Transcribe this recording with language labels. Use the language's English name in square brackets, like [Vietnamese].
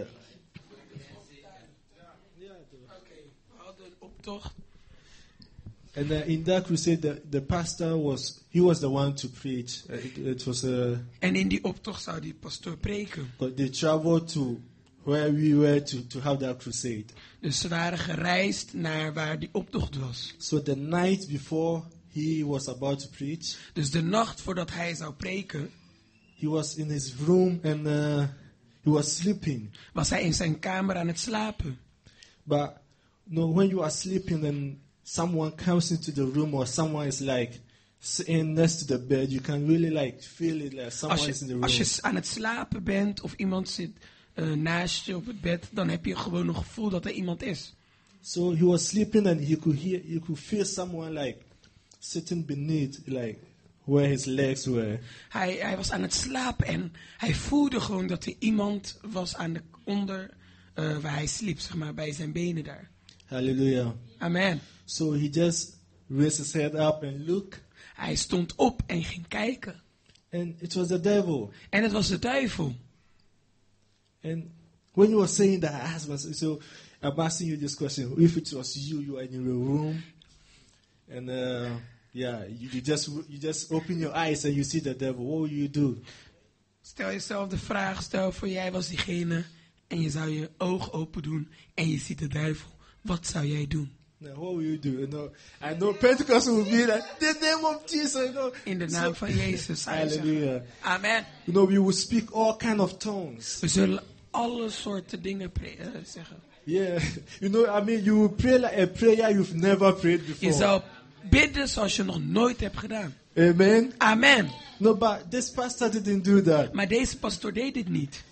[Dutch] Okay. We hadden een optocht. [English] And in that crusade, the pastor was he was the one to preach. It was a. [Dutch] En in die optocht zou die pastoor preken. [English] But they traveled to where we were to have that crusade. [Dutch] Dus ze waren gereisd naar waar die optocht was. [English] So the night before he was about to preach. [Dutch] Dus de nacht voordat hij zou preken. [English] He was in his room and he was sleeping. [Dutch] Was hij in zijn kamer aan het slapen? [English] But no, when you are sleeping and someone comes into the room or someone is like sitting next to the bed, you can really like feel it like someone is in the room. [Dutch] Als je aan het slapen bent of iemand zit naast je op het bed, dan heb je gewoon een gevoel dat er iemand is. [English] So he was sleeping and he could feel someone like sitting beneath like where his legs were. [Dutch] Hij was aan het slapen en hij voelde gewoon dat er iemand was aan de onder waar hij sliep, zeg maar bij zijn benen daar. [English] Hallelujah. Amen. So he just raised his head up and look. [Dutch] Hij stond op en ging kijken. [English] And it was the devil. [Dutch] En het was de duivel. [English] And when he was saying that, so I'm asking you this question. If it was you, you are in your room, and you just open your eyes and you see the devil. What will you do? [Dutch] Stel jezelf de vraag, stel voor jij was diegene en je zou je oog open doen en je ziet de duivel. Wat zou jij doen? [English] Now, what will you do? You know, I know Pentecost will be like the name of Jesus. You know. In the name of Jesus. Hallelujah. Amen. You know, we will speak all kind of tongues. [Dutch] We zullen alle soorten dingen zeggen. [English] Yeah. You know, I mean, you will pray like a prayer you've never prayed before. [Dutch] Je zou bidden zoals je nog nooit hebt gedaan. [English] Amen. Amen. No, but this pastor didn't do that. [Dutch] Maar deze pastoor deed dit niet.